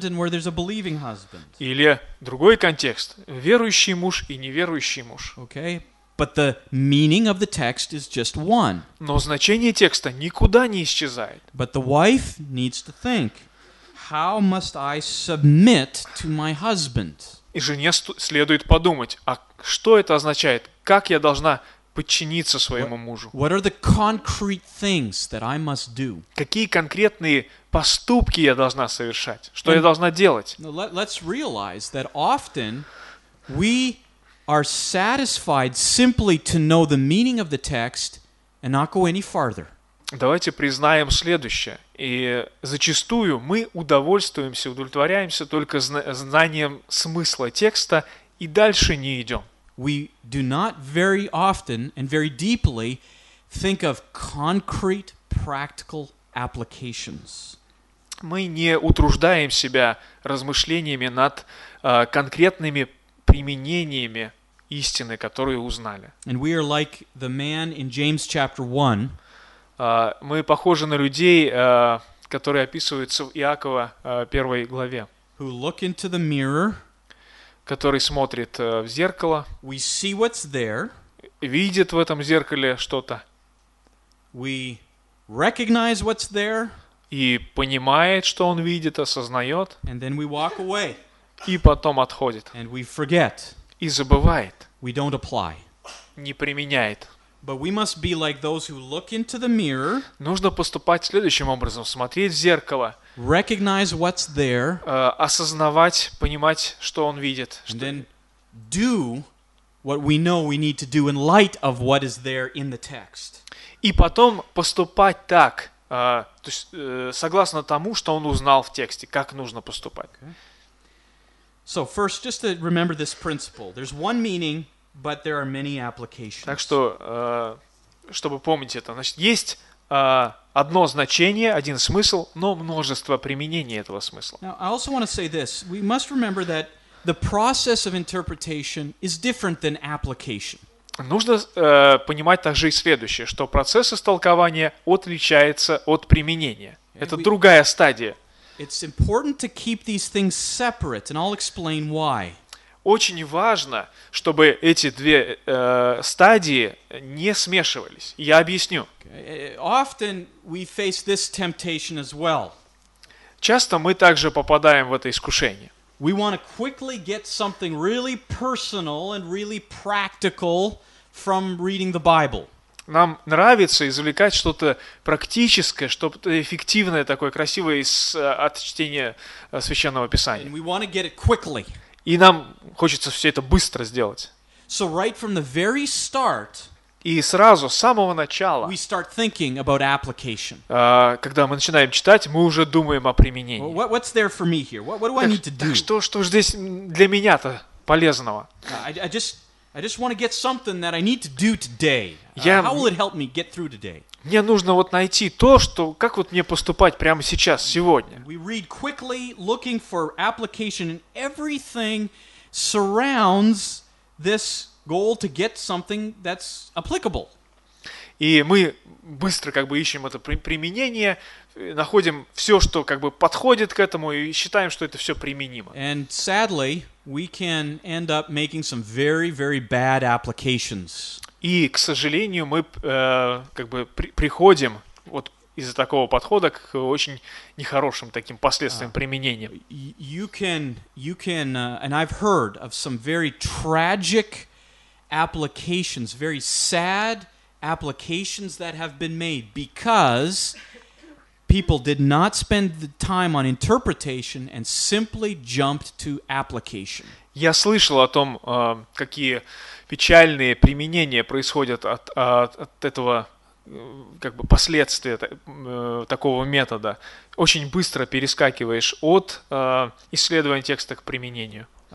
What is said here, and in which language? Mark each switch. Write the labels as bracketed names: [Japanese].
[Russian] Или другой контекст. Верующий муж и неверующий муж. [English] Okay. But the meaning of the text is just one. [Russian] Но значение текста никуда не исчезает. [English] But the wife needs to think, how must I submit to my husband? [Russian] И жене следует подумать, а что это означает? Как я должна подчиниться своему мужу? [English] What are the concrete things that I must do? [Russian] Какие конкретные поступки я должна совершать? Что я должна делать? [English] Let's realize that often we are satisfied simply to know the meaning of the text and not go any farther. [Russian] Давайте признаем следующее. И зачастую мы удовольствуемся, удовлетворяемся только знанием смысла текста и дальше не идем. [English] We do not very often and very deeply think of concrete practical applications. [Russian] Мы не утруждаем себя размышлениями над конкретными применениями истины, которую узнали. [English] And we are like the man in James chapter 1. [Russian] Мы похожи на людей, которые описываются в Иакова первой главе. [English] Who look into the mirror. [Russian] Который смотрит в зеркало, [English] we see what's there, [Russian] видит в этом зеркале что-то, [English] we recognize what's there, [Russian] и понимает, что он видит, осознает, [English] and then we walk away, [Russian] и потом отходит, [English] and we forget, [Russian] и забывает, [English] we don't apply, [Russian] не применяет. [English] But we must be like those who look into the mirror. [Russian] Нужно поступать следующим образом: смотреть в зеркало, [English] recognize what's there, [Russian] осознавать, понимать, что он видит, [English] and then do what we know we need to do in light of what is there in the text. [Russian] И потом поступать так, то есть согласно тому, что он узнал в тексте, как нужно поступать. [English] So first, just to remember this principle: there's one meaning. But there are many applications. [Russian] Так что, чтобы помнить это, значит, есть одно значение, один смысл, но множество применений этого смысла. [English] Now, I also want to say this. We must remember that the process of interpretation is different than application. [Russian] Нужно понимать также и следующее, что процесс истолкования отличается от применения. Это другая стадия. [English] It's important to keep these things separate, and I'll explain why. [Russian] Очень важно, чтобы эти две стадии не смешивались. Я объясню. [English] Often we face this temptation as well. [Russian] Часто мы также попадаем в это искушение. [English] We want to quickly get something really personal and really practical from reading the Bible. [Russian] Нам нравится извлекать что-то практическое, что-то эффективное такое, красивое из от чтения Священного Писания. [English] And we want to get it quickly. [Russian] И нам хочется все это быстро сделать. [English] So right from the very start, [Russian] и сразу, с самого начала, [English] we start thinking about application. [Russian] Когда мы начинаем читать, мы уже думаем о применении. [English] Well, what's there for me here? What do I need to do? [Russian] Что же здесь для меня-то полезного? [English] I just want to get something that I need to do today. How will it help me get through today? [Russian] Мне нужно вот найти то, что как вот мне поступать прямо сейчас, сегодня. [English] We read quickly, looking for application, and everything surrounds this goal to get something that's applicable. [Russian] И мы быстро как бы ищем это применение, находим все, что как бы подходит к этому, и считаем, что это все применимо. [English] And sadly, we can end up making some very, very bad applications. [Russian] И, к сожалению, мы как бы приходим вот из-за такого подхода к очень нехорошим таким последствиям применения. [English] You can, and I've heard of some very tragic applications, very sad applications that have been made because people did not spend the time on interpretation and simply jumped to application. [Russian] Я слышал о том, какие печальные применения происходят от этого как бы последствия такого метода. Очень быстро перескакиваешь от исследования текста к применению.